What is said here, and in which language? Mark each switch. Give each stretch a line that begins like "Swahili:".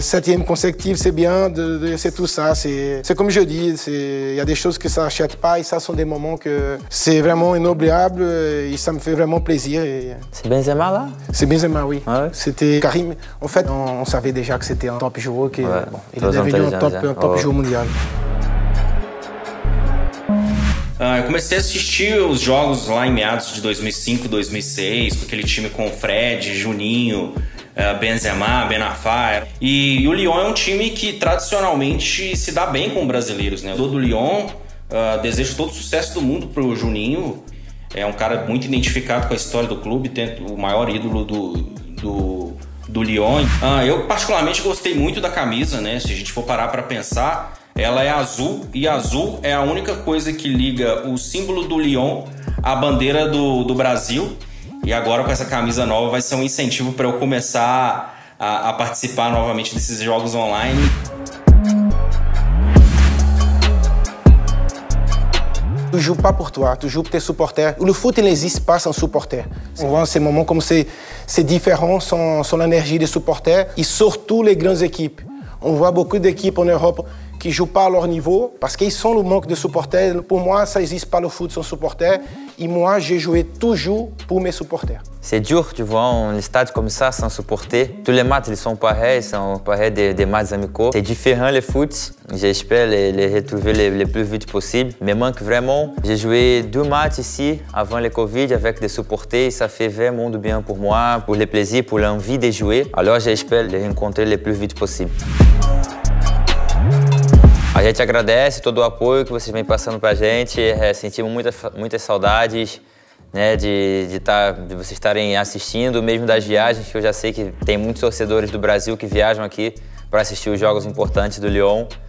French: Septième consécutif, c'est bien, c'est tout ça. C'est comme je dis, il y a des choses que ça n'achète pas et ça, sont des moments que c'est vraiment inoubliable et ça me fait vraiment plaisir. C'est Benzema, là? C'est Benzema, oui. Ouais. C'était Karim. En fait, on savait déjà que c'était un top joueur. Qui, ouais. Bon, il est devenu un top joueur mondial.
Portuguese: Comecei a assistir os jogos lá em meados de 2005, 2006, com aquele time com o Fred, Juninho, Benzema, Ben Arfa. E o Lyon é um time que tradicionalmente se dá bem com brasileiros, né? Do Lyon, desejo todo o sucesso do mundo pro Juninho. É um cara muito identificado com a história do clube, tem o maior ídolo do Lyon. Eu particularmente gostei muito da camisa, né? Se a gente for parar para pensar, ela é azul, e azul é a única coisa que liga o símbolo do Lyon à bandeira do Brasil. E agora, com essa camisa nova, vai ser um incentivo para eu começar a participar novamente desses jogos online.
French: Tu joues pas pour toi, tu joues pour tes supporters. Le foot, il n'existe pas sans supporters. On voit ces moments comme c'est différent sans l'énergie des supporters et surtout les grandes équipes. On voit beaucoup d'équipes en Europe qui ne jouent pas à leur niveau parce qu'ils sont le manque de supporters. Pour moi, ça n'existe pas le foot sans supporters. Et moi, j'ai joué toujours pour mes supporters. C'est dur de voir un stade comme ça sans supporters. Tous les matchs, ils sont pareils, ils sont pareils des matchs amicaux. C'est différent le foot. J'espère les retrouver le plus vite possible. Me manque vraiment. J'ai joué deux matchs ici avant le Covid avec des supporters. Ça fait vraiment du bien pour moi, pour le plaisir, pour l'envie de jouer. Alors, j'espère les rencontrer le plus vite possible.
Portuguese: A gente agradece todo o apoio que vocês vêm passando pra gente. Sentimos muitas saudades, né, de vocês estarem assistindo, mesmo das viagens, que eu já sei que tem muitos torcedores do Brasil que viajam aqui para assistir os jogos importantes do Lyon.